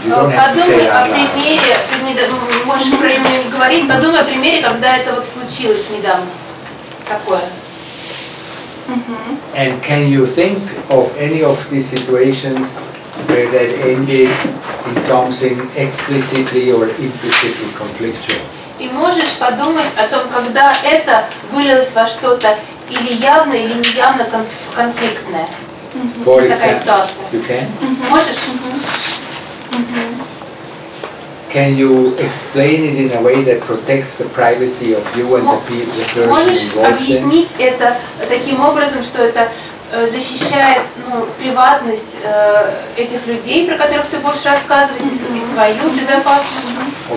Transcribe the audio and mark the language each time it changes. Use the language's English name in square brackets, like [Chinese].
[English] You don't have to say it out loud. [Russian] Подумай о примере, когда это вот случилось недавно. [English] And can you think of any of these situations where that ended in something explicitly or implicitly conflictual? [Russian] И можешь подумать о том, когда это вылилось во что-то или явно, или неявно конфликтное. Mm-hmm. Такая ситуация. [English] You can? Mm-hmm. [Russian] Можешь? Mm-hmm. [English] Can you explain it in a way that protects the privacy of you and the people, the person involved? [Russian] Можешь объяснить это таким образом, что это защищает, ну, приватность этих людей, про которых ты будешь рассказывать, mm-hmm. и свою безопасность mm-hmm.